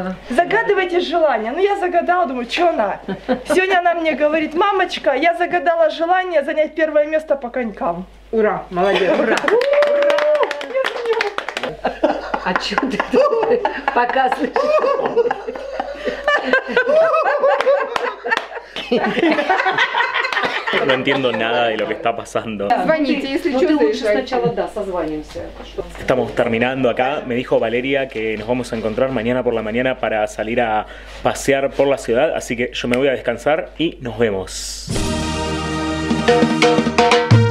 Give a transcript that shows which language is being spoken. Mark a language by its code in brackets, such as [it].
[ru] Загадывайте желание. Ну я загадала, думаю, что она? Сегодня она мне говорит, мамочка, я загадала желание занять первое место по конькам. Ура, молодец. Ура. А что ты тут показываешь? [es] No entiendo nada de lo que está pasando. [ru] Звоните, если что, лучше сначала, да, созвонимся. [es] Estamos terminando acá. Me dijo Valeria que nos vamos a encontrar mañana por la mañana para salir a pasear por la ciudad. Así que yo me voy a descansar y nos vemos.